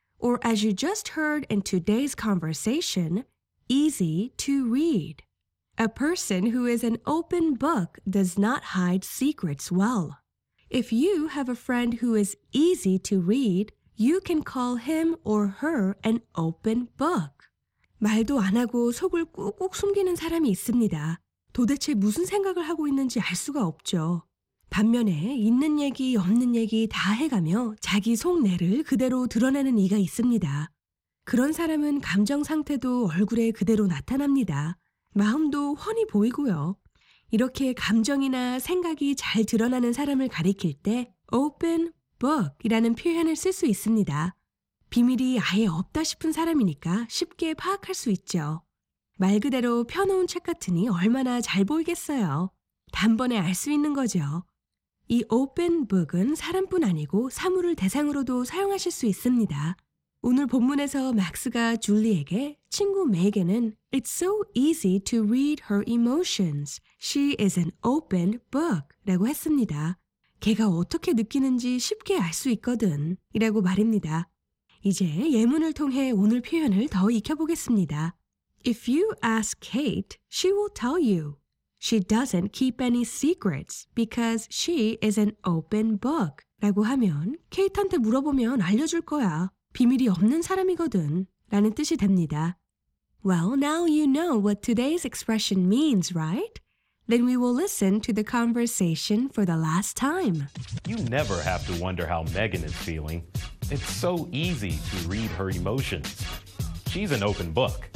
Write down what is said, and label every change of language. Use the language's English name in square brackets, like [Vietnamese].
[English] Or as you just heard in today's conversation, easy to read. A person who is an open book does not hide secrets well. If you have a friend who is easy to read, you can call him or her an open book. [Korean] 말도 안 하고 속을 꾹꾹 숨기는 사람이 있습니다. 도대체 무슨 생각을 하고 있는지 알 수가 없죠. 반면에 있는 얘기, 없는 얘기 다 해가며 자기 속내를 그대로 드러내는 이가 있습니다. 그런 사람은 감정 상태도 얼굴에 그대로 나타납니다. 마음도 훤히 보이고요. 이렇게 감정이나 생각이 잘 드러나는 사람을 가리킬 때 open book이라는 표현을 쓸 수 있습니다. 비밀이 아예 없다 싶은 사람이니까 쉽게 파악할 수 있죠. 말 그대로 펴놓은 책 같으니 얼마나 잘 보이겠어요. 단번에 알 수 있는 거죠. 이 open book은 사람뿐 아니고 사물을 대상으로도 사용하실 수 있습니다. 오늘 본문에서 맥스가 줄리에게 친구 메이겐은 [English] It's so easy to read her emotions. She is an open book. [Korean] 라고 했습니다. 걔가 어떻게 느끼는지 쉽게 알 수 있거든. 이라고 말입니다. 이제 예문을 통해 오늘 표현을 더 익혀보겠습니다. [English] If you ask Kate, she will tell you. She doesn't keep any secrets because she is an open book. [Korean] 라고 하면 케이트한테 물어보면 알려줄 거야. 비밀이 없는 사람이거든. 라는 뜻이 됩니다. [English] Well, now you know what today's expression means, right? Then we will listen to the conversation for the last time. You never have to wonder how Megan is feeling. It's so easy to read her emotions. She's an open book.